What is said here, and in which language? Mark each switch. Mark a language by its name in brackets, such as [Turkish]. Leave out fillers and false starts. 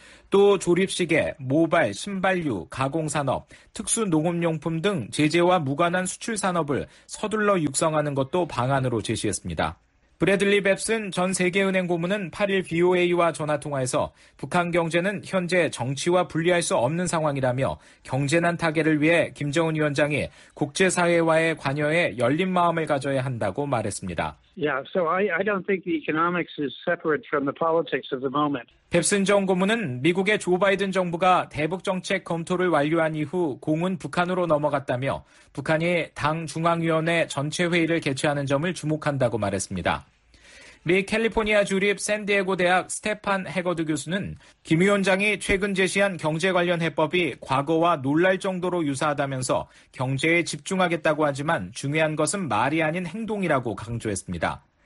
[Korean] 또 조립시계, 모발, 신발류, 가공산업, 특수 농업용품 등 제재와 무관한 수출 산업을 서둘러 육성하는 것도 방안으로 제시했습니다. 브래들리 뱁슨 전 세계은행 고문은 8일 VOA와 전화통화에서 북한 경제는 현재 정치와 분리할 수 없는 상황이라며 경제난 타개를 위해 김정은 위원장이 국제사회와의 관여에 열린 마음을 가져야 한다고 말했습니다. [English] Yeah, so I don't think the economics is separate from the politics of the moment. [Korean] 뱁슨 전 고문은 미국의 조 바이든 정부가 대북 정책 검토를 완료한 이후 공은 북한으로 넘어갔다며 북한이 당 중앙위원회 전체 회의를 개최하는 점을 주목한다고 말했습니다. 미 캘리포니아 주립 샌디에고 대학 스테판 해거드 교수는 김 위원장이 최근 제시한 경제 관련 해법이 과거와 놀랄 정도로 유사하다면서 경제에 집중하겠다고 하지만 중요한 것은 말이 아닌 행동이라고 강조했습니다.